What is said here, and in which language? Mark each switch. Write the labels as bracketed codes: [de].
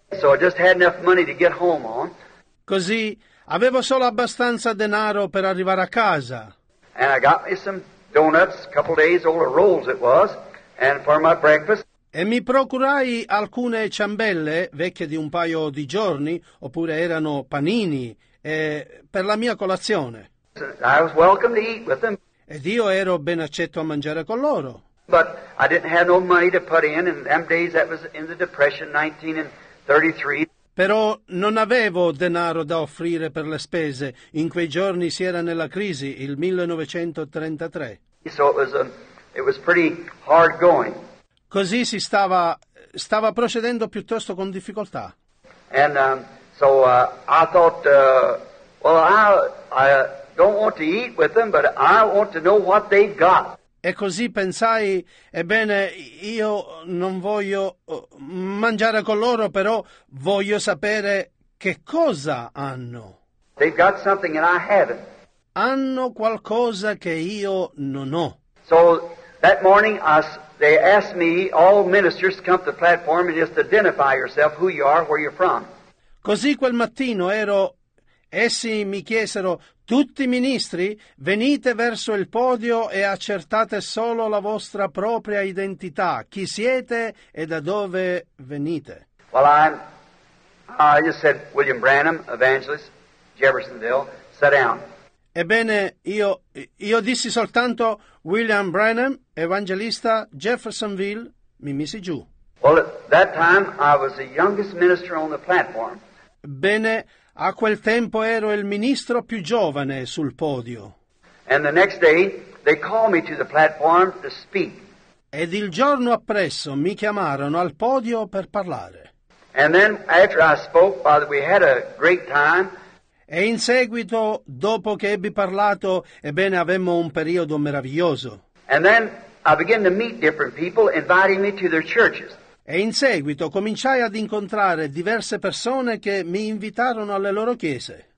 [en] So I just had enough money to get home on. [it] Così avevo solo abbastanza denaro per arrivare a casa. [en] And I got me some donuts, a couple days old, or rolls it was, and for my breakfast. [it] E mi procurai alcune ciambelle vecchie di un paio di giorni, oppure erano panini, per la mia colazione. [en] I was welcome to eat with them. [it] Ed io ero ben accetto a mangiare con loro. [en] But I didn't have no money to put in them days that was in the depression, 1933. [it] Però non avevo denaro da offrire per le spese. In quei giorni si era nella crisi, il 1933. [en] So it was pretty hard going. [it] Così si stava procedendo piuttosto con difficoltà. [en] And I thought, I don't want to eat with them, but I want to know what they've got. [it] E così pensai, ebbene, io non voglio mangiare con loro, però voglio sapere che cosa hanno. [en] They've got something that I haven't. [it] Hanno qualcosa che io non ho. [en] So that morning they asked me, all ministers, to come to the platform and just identify yourself, who you are, where you're from. [it] Così quel mattino essi mi chiesero, tutti i ministri, venite verso il podio e accertate solo la vostra propria identità, chi siete e da dove venite. [en] Well, I just said, William Branham, evangelist, Jeffersonville, sit down. [it] Ebbene, io dissi soltanto, William Branham, evangelista, Jeffersonville, mi misi giù. [en] Well, at that time, I was the youngest minister on the platform. [it] Bene, a quel tempo ero il ministro più giovane sul podio. [en] And the next day, they called me to the platform to speak. [it] Ed il giorno appresso mi chiamarono al podio per parlare. [en] And then, after I spoke, Father, we had a great time. [it] E in seguito, dopo che ebbi parlato, ebbene, avemmo un periodo meraviglioso. [en] And then I began to meet different people, inviting me to their churches. [it] E in seguito cominciai ad incontrare diverse persone che mi invitarono alle loro chiese.